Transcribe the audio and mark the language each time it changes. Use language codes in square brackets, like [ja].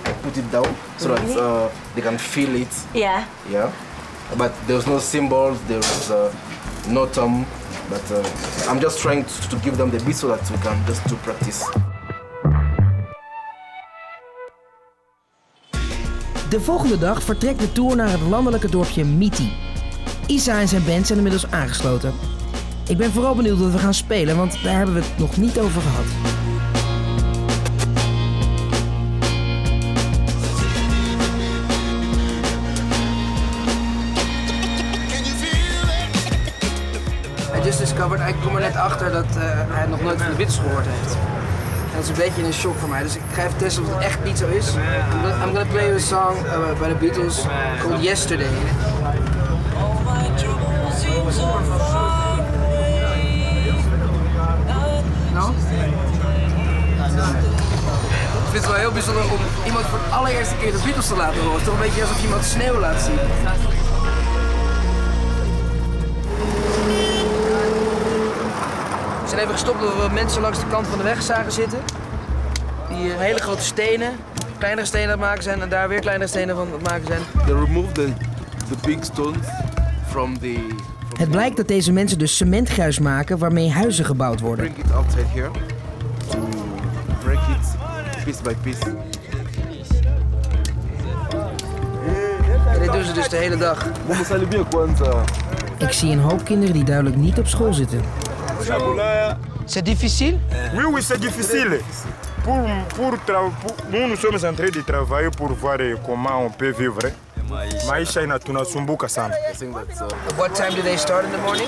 [en] I put it down so that they can feel it. Yeah. Yeah. But there's no cymbals, there's no tom. But I'm just trying to give them the beat so that we can just do practice. [nl] De volgende dag vertrekt de tour naar het landelijke dorpje Miti. Isa en zijn band zijn inmiddels aangesloten. Ik ben vooral benieuwd wat we gaan spelen, want daar hebben we het nog niet over gehad. [en] I just discovered, [nl] ik kom er net achter dat hij nog nooit van de Beatles gehoord heeft. Dat is een beetje een shock voor mij, dus ik ga even testen of het echt niet zo is. [en] I'm gonna play you a song by the Beatles called Yesterday. [nl] Ik vind het wel heel bijzonder om iemand voor de allereerste keer de Beatles te laten horen. Toch een beetje alsof iemand sneeuw laat zien. We zijn even gestopt omdat we mensen langs de kant van de weg zagen zitten. Die hele grote stenen, kleinere stenen aan het maken zijn en daar weer kleinere stenen van aan het maken zijn. [en] They removed the big stones from the... [nl] Het blijkt dat deze mensen dus cementgruis maken waarmee huizen gebouwd worden. [en] Bring it outside here. To break it. Piece by piece. [nl] En dit doen ze dus de hele dag. Ik zie een hoop kinderen die duidelijk niet op school zitten. [fr] C'est difficile? Oui, oui, c'est difficile. Nous, nous sommes en train de travailler pour voir comment on peut vivre. [en] What time do they start in the morning?